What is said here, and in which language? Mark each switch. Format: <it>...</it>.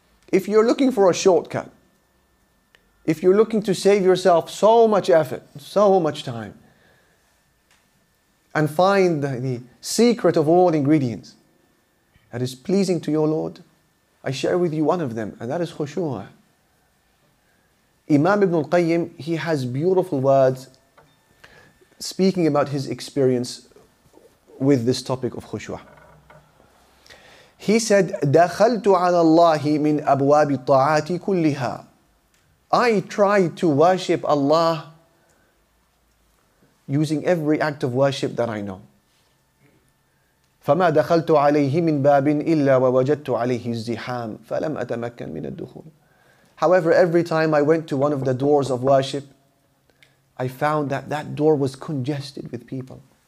<en>If you're looking for a shortcut, if you're looking to save yourself so much effort, so much time, and find the secret of all ingredients that is pleasing to your Lord, I share with you one of them, and that is khushu'. Imam Ibn al-Qayyim, he has beautiful words speaking about his experience with this topic of khushu'. He said,</en> <ar>دَخَلْتُ عَلَى اللَّهِ مِنْ أَبْوَابِ الطَّعَاتِ كُلِّهَا.</ar> <en>I tried to worship Allah using every act of worship that I know.</en> <ar>فَمَا دَخَلْتُ عَلَيْهِ مِنْ بَابٍ إِلَّا وَوَجَدْتُ عَلَيْهِ الزِّحَامِ فَلَمْ أَتَمَكَّنْ مِنَ الدُّخُولِ.</ar> <en>However, every time I went to one of the doors of worship, I found that that door was congested with people.</en>